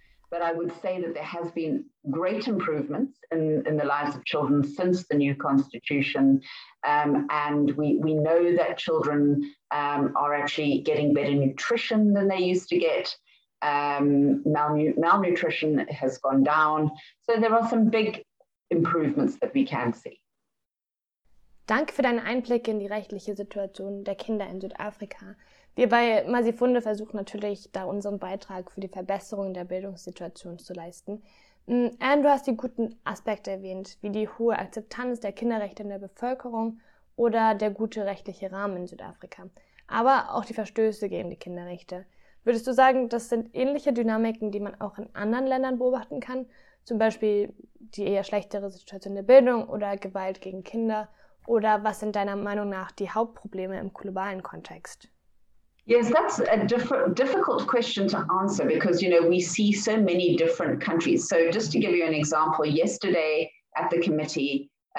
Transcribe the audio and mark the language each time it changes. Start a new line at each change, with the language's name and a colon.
English: But I would say that there has been great improvements in the lives of children since the new constitution. And we know that children are actually getting better nutrition than they used to get. Malnutrition has gone down. So there are some big improvements that we can see.
German: Danke für deinen Einblick in die rechtliche Situation der Kinder in Südafrika. Wir bei Masifunde versuchen natürlich, da unseren Beitrag für die Verbesserung der Bildungssituation zu leisten. Anne, du hast die guten Aspekte erwähnt, wie die hohe Akzeptanz der Kinderrechte in der Bevölkerung oder der gute rechtliche Rahmen in Südafrika. Aber auch die Verstöße gegen die Kinderrechte. Würdest du sagen, das sind ähnliche Dynamiken, die man auch in anderen Ländern beobachten kann? Zum Beispiel die eher schlechtere Situation der Bildung oder Gewalt gegen Kinder? Oder was sind deiner Meinung nach die Hauptprobleme im globalen Kontext?
English: Yes, that's a difficult question to answer because, you know, we see so many different countries. So just to give you an example, yesterday at the committee,